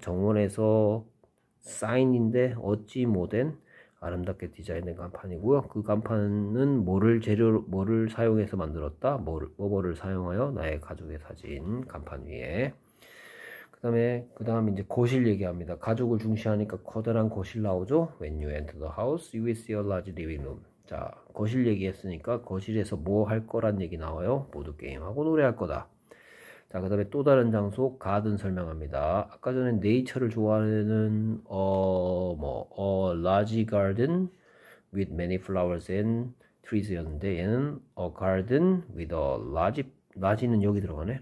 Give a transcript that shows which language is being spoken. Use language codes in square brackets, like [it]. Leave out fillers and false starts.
[ko] 정원에서 sign인데 어찌 뭐든 아름답게 디자인된 간판이고요. 그 간판은 뭐를 재료, 뭐를 사용해서 만들었다? 뭐를 사용하여 나의 가족의 사진 간판 위에. 그 다음에 이제 거실 얘기합니다. 가족을 중시하니까 커다란 거실 나오죠? [en] When you enter the house, you will see a large living room. [ko] 자, 거실 얘기했으니까 거실에서 뭐할 거란 얘기 나와요? 모두 게임하고 노래할 거다. 자, 그 다음에 또 다른 장소, 가든 설명합니다. 아까 전에 네이처를 좋아하는, [en] large garden with many flowers and trees [ko] 였는데, 얘는 [en] a garden with a large [ko] 는 여기 들어가네.